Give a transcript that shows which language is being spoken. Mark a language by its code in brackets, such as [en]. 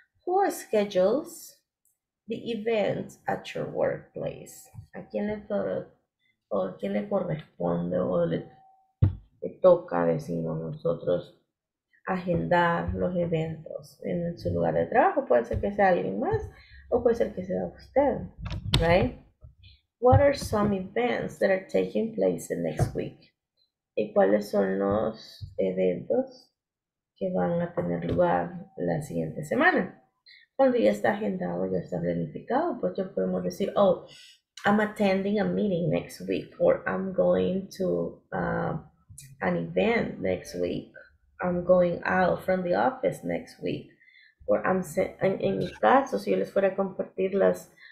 [en] Who schedules the events at your workplace? [es] ¿A quién le toca o a quién le corresponde o le toca, decimos nosotros, agendar los eventos en su lugar de trabajo? Puede ser que sea alguien más o puede ser que sea usted, right? [en] What are some events that are taking place in next week? [es] ¿Y cuáles son los eventos que van a tener lugar la siguiente semana? Cuando ya está agendado, ya está planificado, pues ya podemos decir, oh, [en] I'm attending a meeting next week, or I'm going to an event next week, I'm going out from the office next week, or I'm [es] en mi caso, si yo les fuera a compartir las